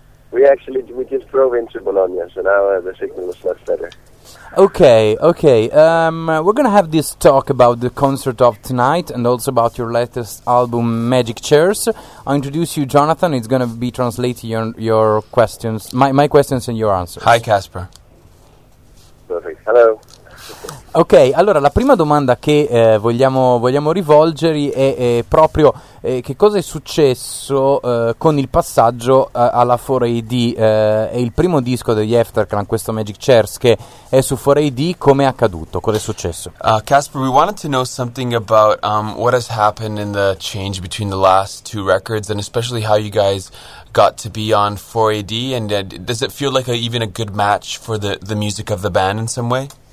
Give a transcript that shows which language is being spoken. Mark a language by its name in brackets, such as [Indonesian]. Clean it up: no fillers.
[English] We just drove into Bologna, so now the signal is much better. Okay. We're going to have this talk about the concert of tonight and also about your latest album, Magic Chairs. I'll introduce you, Jonathan. It's going to be translating your questions, my questions and your answers. Hi, Kasper. Hello. [Italian] Ok, allora la prima domanda che vogliamo rivolgere è proprio che cosa è successo con il passaggio alla 4AD. È il primo disco degli Afterclan, questo Magic Chairs, che è su 4AD. Come è accaduto? Cosa è successo? [English] Casper, we wanted to know something about what has happened in the change between the last two records and especially how you guys got to be on 4AD, and does it feel like even a good match for the music of the band in some way?